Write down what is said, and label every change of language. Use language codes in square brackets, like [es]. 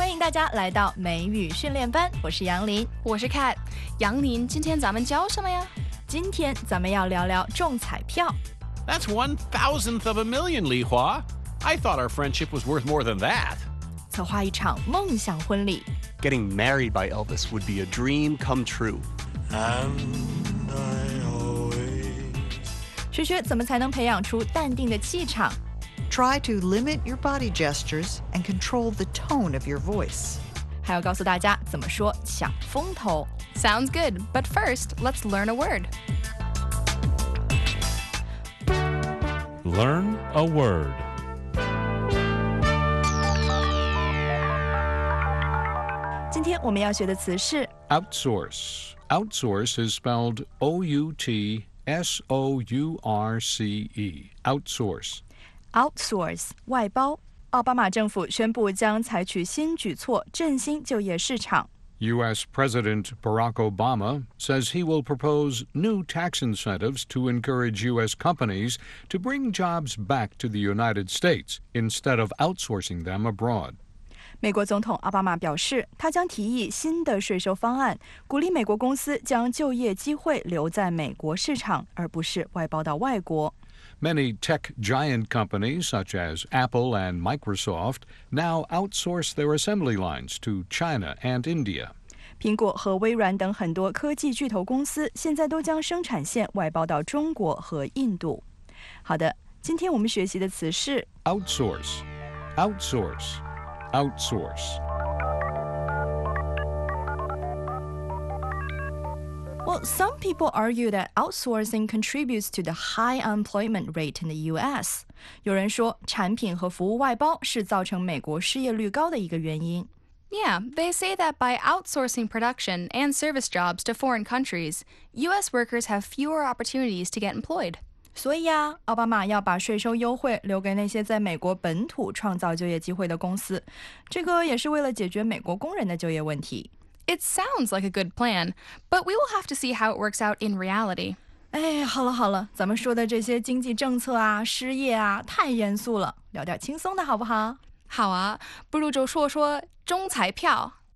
[zh] 家来到美语训练班，我是杨林，我是 Cat。杨林，今天咱们教什么呀？今天咱们要聊聊中彩票。 [en] That's 1,000th of a million, Li Hua. I thought our friendship was worth more than that. [zh] 策划一场梦想婚礼。 [en] Getting married by Elvis would be a dream come true. And I always... [zh] 学学怎么才能培养出淡定的气场。 [en] Try to limit your body gestures and control the tone of your voice. [zh] 还要告诉大家怎么说抢风头。 [en] Sounds good, but first, let's learn a word. Learn a word. Today, [zh] 我们要学的词是 [en] outsource. Outsource is spelled O-U-T-S-O-U-R-C-E. Outsource. [zh] Outsource, 外包。奥巴马政府宣布将采取新举措振兴就业市场。 [en] U.S. President Barack Obama says he will propose new tax incentives to encourage U.S. companies to bring jobs back to the United States instead of outsourcing them abroad. [zh] 美国总统奥巴马表示，他将提议新的税收方案，鼓励美国公司将就业机会留在美国市场，而不是外包到外国。 [en] Many tech giant companies, such as Apple and Microsoft, now outsource their assembly lines to China and India. [zh] 苹果和微软等很多科技巨头公司现在都将生产线外包到中国和印度。好的，今天我们学习的词是 [en] outsource, outsource, outsource. Well, some people argue that outsourcing contributes to the high unemployment rate in the U.S. [zh] 有人说产品和服务外包是造成美国失业率高的一个原因。 [en] Yeah, they say that by outsourcing production and service jobs to foreign countries, U.S. workers have fewer opportunities to get employed. [zh] 所以啊，奥巴马要把税收优惠留给那些在美国本土创造就业机会的公司，这个也是为了解决美国工人的就业问题。 [en] It sounds like a good plan, but we will have to see how it works out in reality. [zh] 哎，好了好了，咱们说的这些经济政策啊，失业啊，太严肃了，聊点轻松的好不好？好啊，不如就说说中彩票。